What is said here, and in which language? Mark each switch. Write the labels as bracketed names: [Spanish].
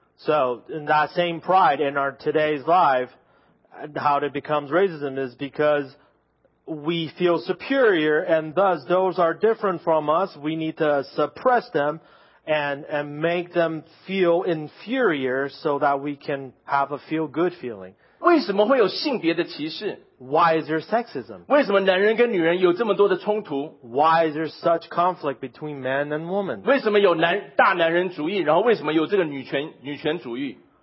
[English] So in that same pride in our today's life, how it becomes racism is because we feel superior and thus those are different from us. We need to suppress them and make them feel inferior so that we can have a feel good feeling. [Chinese] 为什么会有性别的歧视? [English] Why is there sexism? [Chinese] 为什么男人跟女人有这么多的冲突? [English] Why is there such conflict between man and woman? [Chinese] 为什么有大男人主义,然后为什么有这个女权主义?